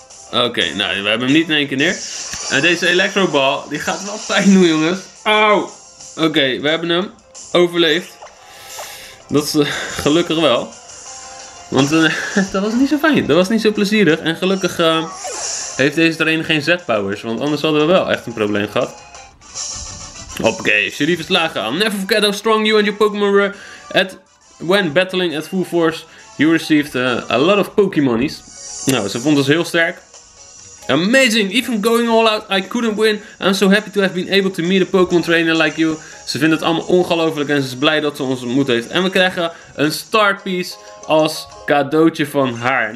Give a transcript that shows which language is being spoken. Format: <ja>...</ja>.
<nl>Oké, nou, we hebben hem niet in één keer neer. En deze electrobal, die gaat wel pijn doen, jongens. Auw. Oké, we hebben hem overleefd. Dat is gelukkig wel. Want dat was niet zo fijn. Dat was niet zo plezierig. En gelukkig heeft deze trainer geen Z-powers. Want anders hadden we wel echt een probleem gehad. Hoppakee. Sherry verslagen.</nl> <en>I'll never forget how strong you and your Pokémon were. When battling at full force, you received a lot of Pokémonies.</en> <nl>Nou, ze vond ons heel sterk.</nl> <en>Amazing. Even going all out, I couldn't win. I'm so happy to have been able to meet a Pokémon trainer like you.</en> <nl>Ze vindt het allemaal ongelooflijk en ze is blij dat ze ons ontmoet heeft. En we krijgen een Star Piece als cadeautje van haar.</nl>